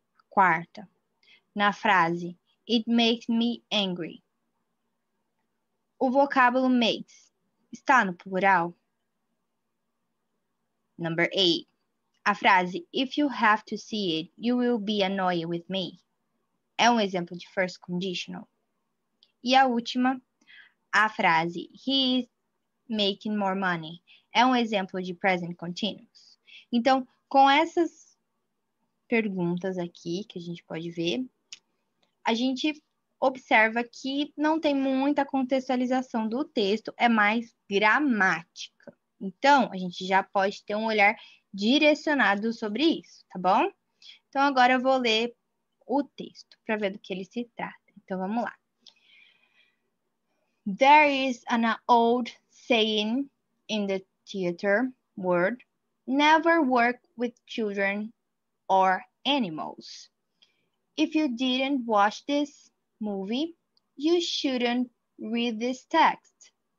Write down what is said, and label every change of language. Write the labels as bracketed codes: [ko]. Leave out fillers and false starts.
[pt] Quarta, na frase, [en] it makes me angry. [pt] O vocábulo makes está no plural? [en] Number 8, [pt] a frase, [en] if you have to see it, you will be annoyed with me. [pt] É um exemplo de first conditional. E a última, a frase, [en] he is making more money. [pt] É um exemplo de present continuous. Então, com essas perguntas aqui que a gente pode ver, a gente observa que não tem muita contextualização do texto, é mais gramática. Então, a gente já pode ter um olhar direcionado sobre isso, tá bom? Então, agora eu vou ler o texto para ver do que ele se trata. Então, vamos lá. [en] There is an old saying in the theater world: never work with children or animals. If you didn't watch this movie, you shouldn't read this text.